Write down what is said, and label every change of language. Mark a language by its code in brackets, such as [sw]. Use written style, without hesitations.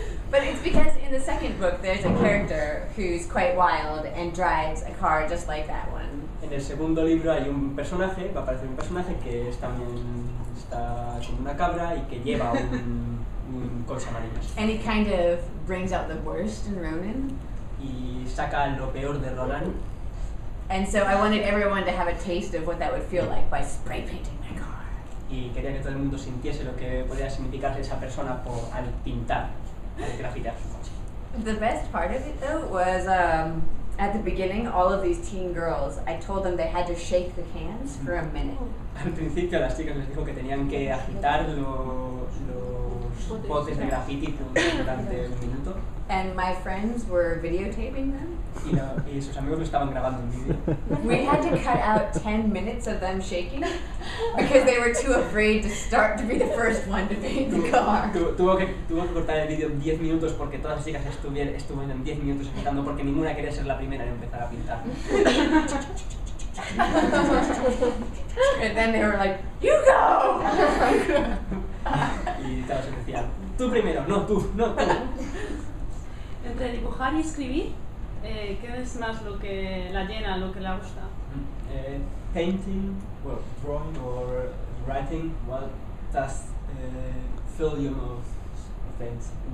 [en] But it's because in the second book there's a character who's quite wild and drives a car just like that one. [es] En el segundo libro hay un personaje, va a aparecer un personaje que es también está como una cabra y que lleva un coche amarillo. [en] And it kind of brings out the worst in Ronan. [es] Y saca lo peor de Ronan. [en] And so I wanted everyone to have a taste of what that would feel like by spray painting my car. [es] Y quería que todo el mundo sintiese lo que podía significar esa persona por al pintar, al grafitear su coche. [en] The best part of it though was at the beginning all of these teen girls, I told them they had to shake the cans for a minute. [es] Al principio las chicas les dijo que tenían que agitar los botes de graffiti durante un minuto. [en] And my friends were videotaping them. [es] Y sus amigos lo estaban grabando en video. [en] We had to cut out 10 minutes of them shaking because they were too afraid to start to be the first one to paint the car. [es] Tuvo que cortar el video 10 minutos porque todas las chicas estuvieron 10 minutos agitando porque ninguna quería ser la primera en empezar a pintar. [en] And then they were like, you go! [es] Y todos se decían, tú primero, no tú, no tú. Entre dibujar y escribir, ¿qué es más lo que la llena, lo que le gusta? [en] Painting, well, drawing or writing, what does fill you most of things?